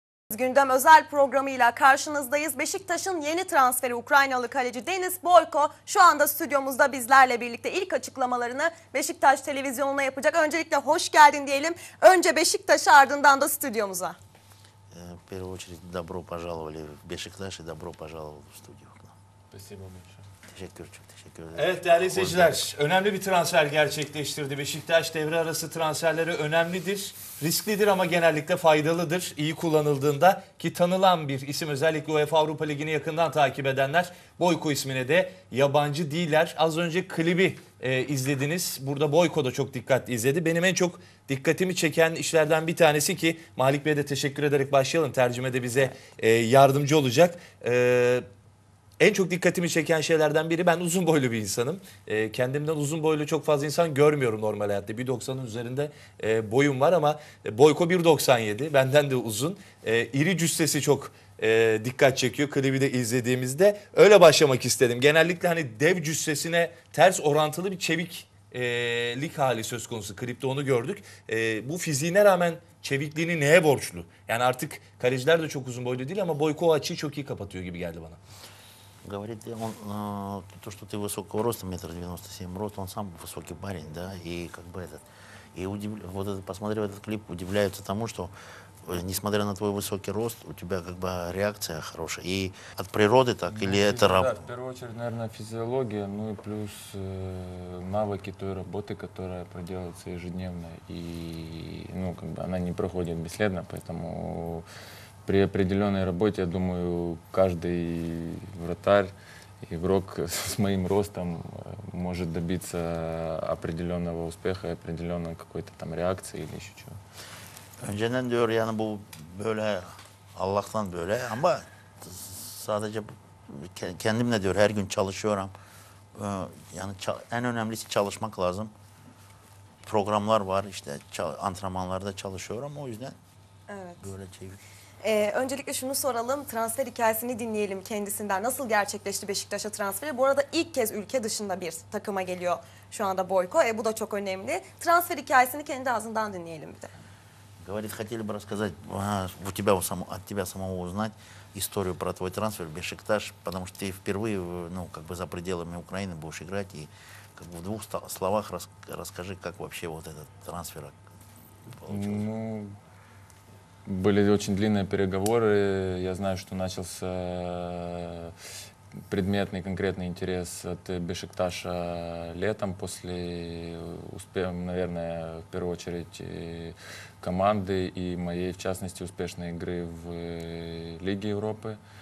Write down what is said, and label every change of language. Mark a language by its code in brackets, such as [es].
[tr] Gündem özel programıyla karşınızdayız. Beşiktaş'ın yeni transferi Ukraynalı kaleci Denis Boyko şu anda stüdyomuzda bizlerle birlikte ilk açıklamalarını Beşiktaş televizyonuna yapacak. Öncelikle hoş geldin diyelim. Önce Beşiktaş'a ardından da stüdyomuza. [ru] Первую очередь добро пожаловали в Beşiktaş и добро пожаловать в студию. Спасибо большое. [tr] Teşekkür çok teşekkür ederim. Evet değerli seyirciler, önemli bir transfer gerçekleştirdi Beşiktaş. Devre arası transferleri önemlidir, risklidir ama genellikle faydalıdır. İyi kullanıldığında ki tanılan bir isim özellikle UEFA Avrupa Ligi'ni yakından takip edenler Boyko ismine de yabancı değiller. Az önce klibi izlediniz. Burada Boyko da çok dikkatli izledi. Benim en çok dikkatimi çeken işlerden bir tanesi ki Malik Bey'e de teşekkür ederek başlayalım. Tercümede bize yardımcı olacak. En çok dikkatimi çeken şeylerden biri ben uzun boylu bir insanım. Kendimden uzun boylu çok fazla insan görmüyorum normal hayatta. 1.90'ın üzerinde boyum var ama Boyko 1.97. Benden de uzun. İri cüssesi çok dikkat çekiyor klibi de izlediğimizde. Öyle başlamak istedim. Genellikle hani dev cüssesine ters orantılı bir çeviklik hali söz konusu. Klipte onu gördük. Bu fiziğine rağmen çevikliğini neye borçlu? Yani artık kaleciler de çok uzun boylu değil ama Boyko o açıyı çok iyi kapatıyor gibi geldi bana. [ru] Говорит он то, что ты высокого роста, 1.97 м рост, он сам высокий парень, да, и как бы этот. И вот это, посмотрев этот клип, удивляются тому, что несмотря на твой высокий рост, у тебя как бы реакция хорошая. И от природы так, или это работа? Да, в первую очередь, наверное, физиология, ну и плюс навыки той работы, которая проделывается ежедневно. И, ну, как бы она не проходит бесследно, поэтому при определенной работе, я думаю, каждый вратарь, игрок с моим ростом может добиться определенного успеха, определенной какой-то там реакции или еще чего. [tr] Önceden diyor yani bu böyle Allah'tan böyle ama sadece kendimle diyor her gün çalışıyorum. Yani en önemlisi çalışmak lazım. Programlar var işte antrenmanlarda çalışıyorum o yüzden evet. Böyle çevik. Öncelikle şunu soralım, transfer hikayesini dinleyelim kendisinden. Nasıl gerçekleşti Beşiktaş'a transferi? Bu arada ilk kez ülke dışında bir takıma geliyor şu anda Boyko. Bu da çok önemli. Transfer hikayesini kendi ağzından dinleyelim bir de. [ru] Говорит, хотели бы рассказать, у тебя от тебя самого узнать историю про твой трансфер в Бешикташ, потому что ты впервые, ну, как бы за пределами Украины будешь играть, и как бы в двух словах расскажи, как вообще вот этот трансфер получился. Ну, были очень длинные переговоры, я знаю, что начался предметный конкретный интерес от Бешикташа летом, после успеха, наверное, в первую очередь команды и моей, в частности, успешной игры в Лиге Европы.